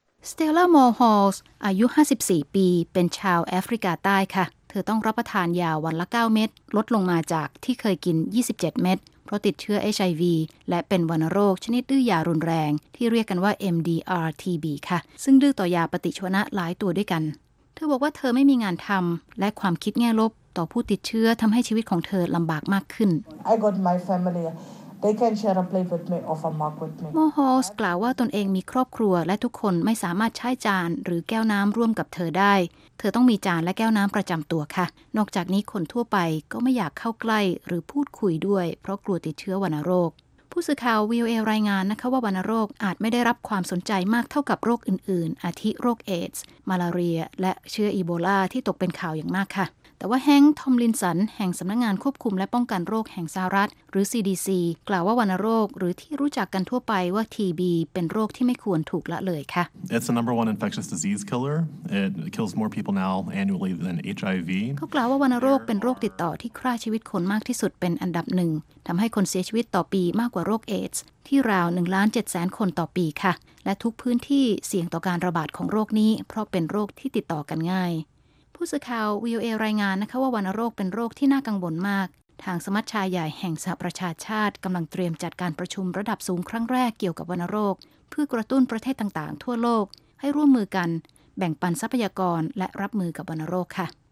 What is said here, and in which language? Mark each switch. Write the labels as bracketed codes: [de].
[th] สเตลล่ามอร์ฮอลส์อายุ54ปีเป็นชาวแอฟริกาใต้ค่ะเธอต้องรับประทานยาวันละ9เม็ดลดลงมาจากที่เคยกิน27เม็ดเพราะติดเชื้อ HIV และเป็นวัณโรคชนิดดื้อยารุนแรงที่เรียกกันว่า MDR-TB ค่ะซึ่งดื้อต่อยาปฏิชีวนะหลายตัวด้วยกันเธอบอกว่าเธอไม่มีงานทำและความคิดแง่ลบต่อผู้ติดเชื้อทำให้ชีวิตของเธอลำบากมากขึ้น [en] I got my familyThey can share a plate with me or a mug with me. [th] Mohos กล่าวว่าตนเองมีครอบครัวและทุกคนไม่สามารถใช้จานหรือแก้วน้ำร่วมกับเธอได้เธอต้องมีจานและแก้วน้ำประจำตัวค่ะนอกจากนี้คนทั่วไปก็ไม่อยากเข้าใกล้หรือพูดคุยด้วยเพราะกลัวติดเชื้อวัณโรค ผู้สื่อข่าว VOA รายงานนะคะว่าวัณโรคอาจไม่ได้รับความสนใจมากเท่ากับโรคอื่นๆอาทิโรคเอดส์มาลาเรียและเชื้ออีโบลาที่ตกเป็นข่าวอย่างมากค่ะแต่ว่าแฮงค์ทอมลินสันแห่งสำนักงานควบคุมและป้องกันโรคแห่งสหรัฐหรือ CDC กล่าวว่าวัณโรคหรือที่รู้จักกันทั่วไปว่า TB เป็นโรคที่ไม่ควรถูกละเลยค่ะ [en] It's the number one infectious disease killer. It kills more people now annually than HIV. [th] เขากล่าวว่าวัณโรคเป็นโรคติดต่อที่ฆ่าชีวิตคนมากที่สุดเป็นอันดับหนึ่งทำให้คนเสียชีวิตต่อปีมากกว่าโรคเอดส์ที่ราว 1,700,000 คนต่อปีค่ะและทุกพื้นที่เสี่ยงต่อการระบาดของโรคนี้เพราะเป็นโรคที่ติดต่อกันง่าย ผู้สื่อข่าว VOA รายงานนะคะว่าวัณโรคเป็นโรคที่น่ากังวลมากทางสมัชชาใหญ่แห่งสหประชาชาติกำลังเตรียมจัดการประชุมระดับสูงครั้งแรกเกี่ยวกับวัณโรคเพื่อกระตุ้นประเทศต่างๆทั่วโลกให้ร่วมมือกันแบ่งปันทรัพยากรและรับมือกับวัณโรคค่ะ